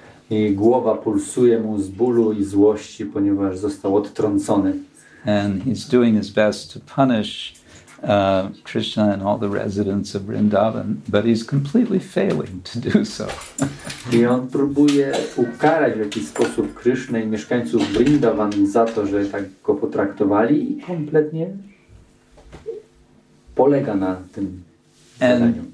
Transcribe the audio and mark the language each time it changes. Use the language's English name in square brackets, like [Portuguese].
[Polish] I głowa pulsuje mu z bólu i złości, ponieważ został odtrącony. [English] And he's doing his best to punish Krishna and all the residents of Vrindavan, but he's completely failing to do so. [Polish] I on próbuje ukarać w jakiś sposób Krishna i mieszkańców Vrindavan za to, że tak go potraktowali i kompletnie polega na tym zadaniu.